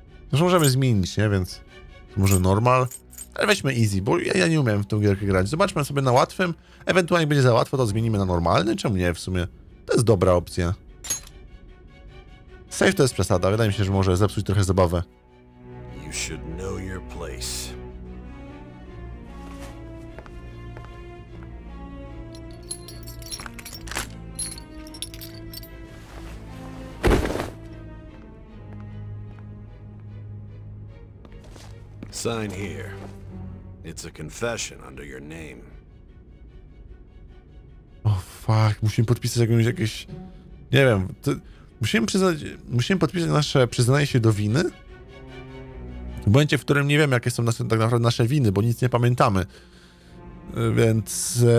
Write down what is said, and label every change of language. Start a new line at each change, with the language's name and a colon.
Polish: Zresztą możemy zmienić, nie? Więc może normal. Ale weźmy easy, bo ja nie umiałem w tą gierkę grać. Zobaczmy sobie na łatwym. Ewentualnie będzie za łatwo, to zmienimy na normalny. Czemu nie w sumie? To jest dobra opcja. Safe to jest przesada. Wydaje mi się, że może zepsuć trochę zabawę.
English: You should know your place. Sign here. It's a confession under your name. Oh fuck,
Polish: musimy podpisać jakieś... Nie wiem, to... musimy podpisać nasze przyznanie się do winy? W momencie, w którym nie wiem, jakie są nasze, tak naprawdę nasze winy, bo nic nie pamiętamy. Więc...